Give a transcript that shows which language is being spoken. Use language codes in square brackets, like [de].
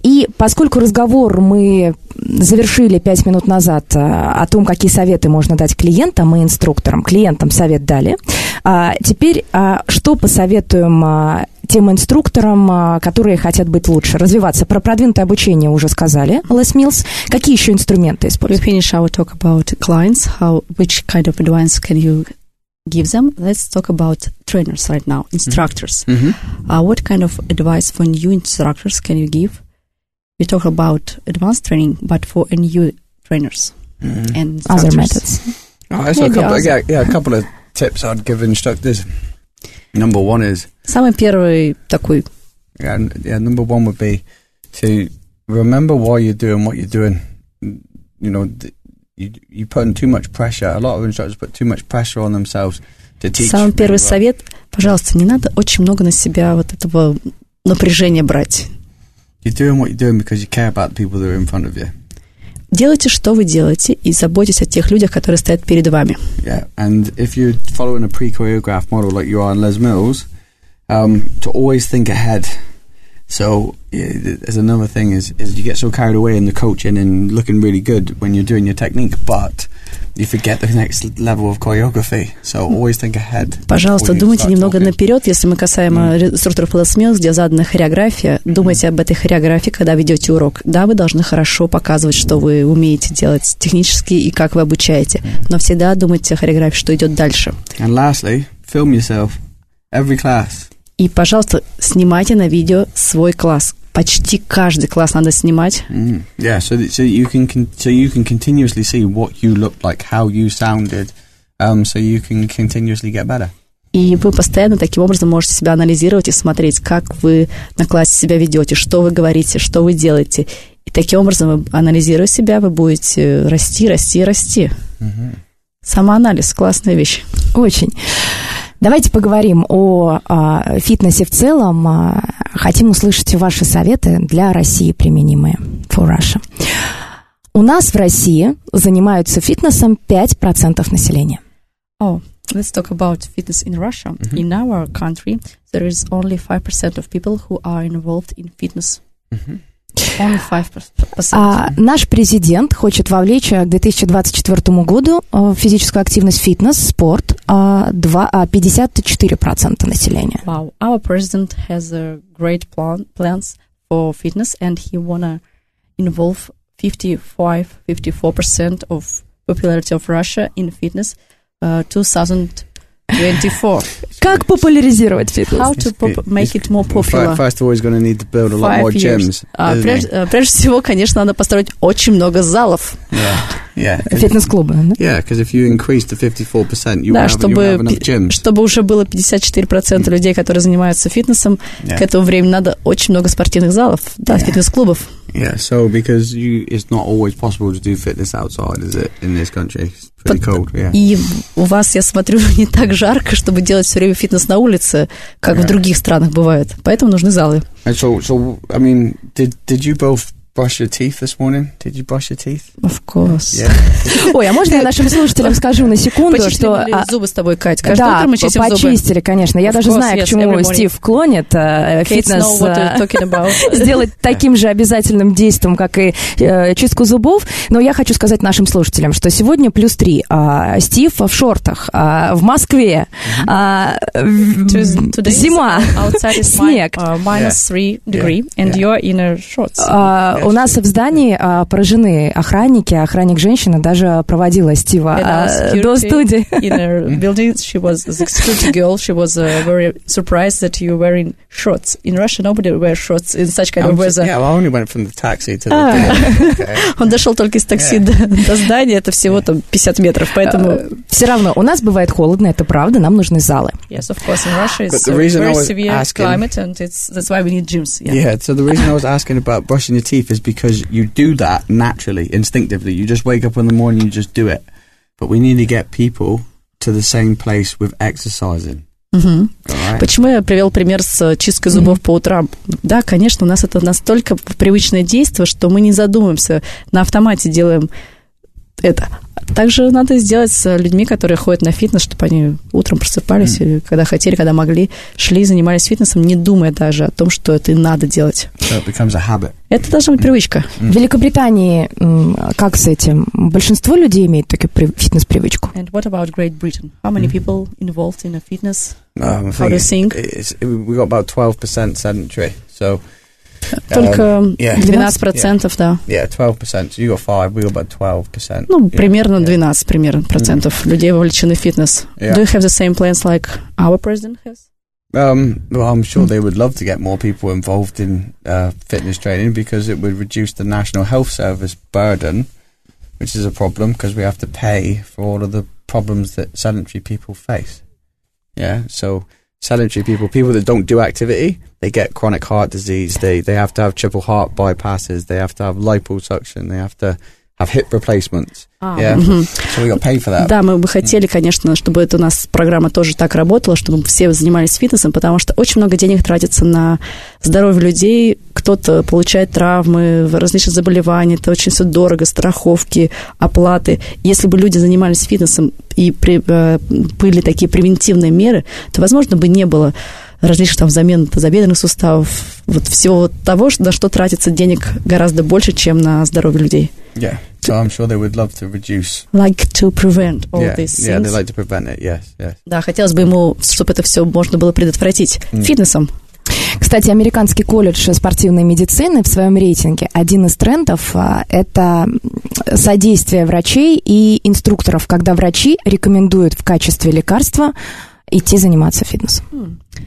[ru] И поскольку разговор мы завершили 5 минут назад о том, какие советы можно дать клиентам и инструкторам, клиентам совет дали, теперь что посоветуем тем инструкторам, которые хотят быть лучше, развиваться? Про продвинутое обучение уже сказали, Les Mills. Какие еще инструменты используют? [en] We finish our talk about clients, which kind of advice can you give them. Let's talk about trainers right now, instructors. Mm-hmm. What kind of advice for new instructors can you give? We talk about advanced training, but for new trainers and instructors. Other methods. A couple of tips I'd give instructors. Number one is... [ru] Самый первый такой. [en] Yeah, number one would be to remember why you're doing what you're doing. You know, you put in too much pressure. A lot of instructors put too much pressure on themselves to teach. [ru] Самый первый совет, пожалуйста, не надо очень много на себя вот этого напряжения брать. [en] You're doing what you're doing because you care about the people that are in front of you. [ru] Делайте, что вы делаете, и заботьтесь о тех людях, которые стоят перед вами. [en] Yeah, and if you're following a pre-choreographed model like you are in Les Mills, to always think ahead. So, there's another thing is you get so carried away in the coaching and looking really good when you're doing your technique, but you forget the next level of choreography. So, always think ahead. [ru] Пожалуйста, думайте немного наперед, если мы касаемо инструкторов Les Mills, где задана хореография. Думайте об этой хореографии, когда ведете урок. Да, вы должны хорошо показывать, что вы умеете делать технически и как вы обучаете. Но всегда думайте о хореографии, что идет дальше. [en] And lastly, film yourself every class. [ru] И, пожалуйста, снимайте на видео свой класс. Почти каждый класс надо снимать. [en] Yeah, so you can continuously see what you looked like, how you sounded, so you can continuously get better. [ru] И вы постоянно таким образом можете себя анализировать и смотреть, как вы на классе себя ведете, что вы говорите, что вы делаете. И таким образом, анализируя себя, вы будете расти, расти, расти. Mm-hmm. Самоанализ – классная вещь. Очень. Давайте поговорим о фитнесе в целом. Хотим услышать ваши советы для России применимые. [en] For Russia. [ru] У нас в России занимаются фитнесом 5% населения. [en] Oh, let's talk about fitness in Russia. Mm-hmm. In our country there is only 5% of people who are involved in fitness. Mm-hmm. Only 5%. [ru] Наш президент хочет вовлечь к 2024 году физическую активность, фитнес, спорт. 54% населения. [en] Wow, our president has a great plans for fitness, and he wanna involve 54% of popularity of Russia in fitness 2024. [ru] Как популяризировать фитнес? [en] How to make it more popular? First of all, he's gonna need to build a lot more gyms. [ru] Прежде всего, конечно, надо построить очень много залов. [en] Yeah, [ru] фитнес-клубы, да? [en] Yeah, because if you increase to 54%, you have enough gyms. [ru] Чтобы уже было 54% людей, которые занимаются фитнесом, к этому времени надо очень много спортивных залов, фитнес-клубов. [en] Yeah, so because it's not always possible to do fitness outside, is it, in this country? It's pretty cold, yeah. [ru] И у вас, я смотрю, не так жарко, чтобы делать все время фитнес на улице, как в других странах бывает. Поэтому нужны залы. [en] And so, I mean, did you both... Brush your teeth this morning? Did you brush your teeth? Of course. Yeah. [ru] Ой, а можно я нашим слушателям скажу на секунду, что... Почистили зубы с тобой, Кать? Каждое утро мы чистим зубы. Да, почистили, конечно. Я даже знаю, к чему Стив клонит фитнес. Сделать таким же обязательным действием, как и чистку зубов. Но я хочу сказать нашим слушателям, что сегодня плюс 3. Стив в шортах, в Москве. Зима. Снег. [en] Minus 3 degree. And you're in a shorts. [ru] У нас в здании поражены охранники. Охранник женщина даже проводила Стива до студии. [en] In her building, she was a security girl. She was very surprised that you're wearing shorts. In Russia, nobody wears shorts in such kind of weather. Yeah, well, I only went from the taxi to the okay. [ru] Он дошел только из такси до здания. Это всего там 50 метров, поэтому... Все равно, у нас бывает холодно, это правда. Нам нужны залы. [en] Yes, of course, in Russia, it's a very severe climate, and that's why we need gyms. Yeah, so the reason I was asking about brushing your teeth is because you do that naturally, instinctively. You just wake up in the morning, you just do it. But we need to get people to the same place with exercising. Mm-hmm. [ru] Почему я привел пример с чисткой зубов mm-hmm. по утрам? Да, конечно, у нас это настолько привычное действие, что мы не задумываемся, на автомате делаем это. Также надо сделать с людьми, которые ходят на фитнес, чтобы они утром просыпались, mm-hmm. когда хотели, когда могли, шли и занимались фитнесом, не думая даже о том, что это и надо делать. [en] So it becomes a habit. [ru] Это должна быть привычка. Mm-hmm. В Великобритании как с этим? Большинство людей имеют такую фитнес-привычку. [en] And what about Great Britain? How many mm-hmm. people involved in a fitness? How do you think? We got about 12% sedentary, so... [ru] Только 12%, [en] yeah. Yeah. Yeah, 12%. So you got 5, we got about 12%. [ru] Ну, примерно 12, примерно, процентов людей вовлечены в фитнес. [en] Do you have the same plans like our president has? Well, I'm sure they would love to get more people involved in fitness training because it would reduce the National Health Service burden, which is a problem because we have to pay for all of the problems that sedentary people face. Yeah, so... Sedentary people, people that don't do activity, they get chronic heart disease. They have to have triple heart bypasses. They have to have liposuction. They have to have hip replacements. Ah. Yeah. Mm-hmm. So we got to pay for that. [ru] Да, мы бы хотели, конечно, чтобы это у нас программа тоже так работала, чтобы все занимались фитнесом, потому что очень много денег тратится на здоровье людей. Кто-то получает травмы, различные заболевания. Это очень все дорого. Страховки, оплаты. Если бы люди занимались фитнесом и были такие превентивные меры, то, возможно, бы не было различных там замен тазобедренных суставов. Вот всего вот того, на что тратится денег гораздо больше, чем на здоровье людей. [en] Yeah, so I'm sure they would love to reduce. Like to prevent all these things. Yeah, they like to prevent it, yes, yes. [ru] Да, хотелось бы ему, чтобы это все можно было предотвратить фитнесом. Кстати, американский колледж спортивной медицины в своем рейтинге один из трендов – это содействие врачей и инструкторов, когда врачи рекомендуют в качестве лекарства идти заниматься фитнесом.